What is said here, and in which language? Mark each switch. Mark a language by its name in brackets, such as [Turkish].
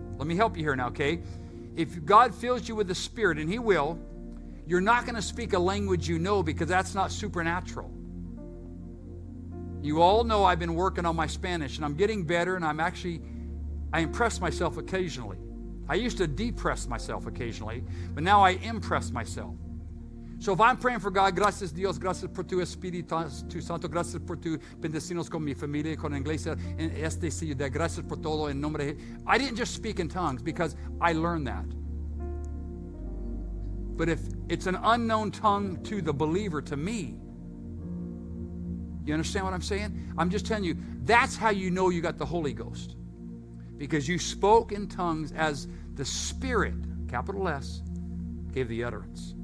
[English] Let me help you here now, okay? If God fills you with the Spirit, and He will, you're not going to speak a language you know because that's not supernatural. You all know I've been working on my Spanish, and I'm getting better, and I impress myself occasionally. I used to depress myself occasionally, but now I impress myself. So if I'm praying for God, [Spanish] gracias Dios, gracias por tu Espíritu tu Santo, gracias por tu bendecirnos con mi familia, con iglesia, en este ciudad, gracias por todo en nombre de... [English] I didn't just speak in tongues because I learned that. But if it's an unknown tongue to the believer, to me, you understand what I'm saying? I'm just telling you, that's how you know you got the Holy Ghost. Because you spoke in tongues as the Spirit, capital S, gave the utterance.